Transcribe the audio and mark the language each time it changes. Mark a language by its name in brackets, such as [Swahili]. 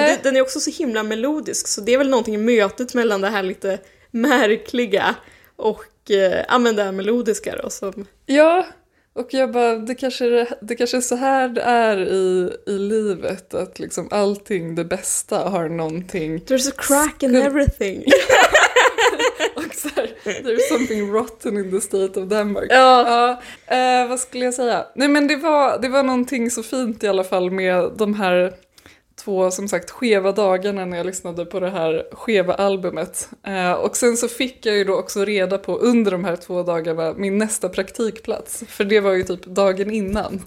[Swedish] Men den är också så himla melodisk, så det är väl någonting i mötet mellan det här lite märkliga och använda det melodiska då, som... Ja, och jag bara det kanske är så här det är i livet, att liksom allting det bästa har någonting. [English] There's a crack in everything. [Swedish] Och så här, [English] there's something rotten in the state of Denmark. [Swedish] Ja, vad skulle jag säga? Nej, men det var någonting så fint i alla fall med de här två, som sagt, skeva dagarna när jag lyssnade på det här skeva albumet. Och sen så fick jag ju då också reda på under de här två dagarna min nästa praktikplats. För det var ju typ dagen innan.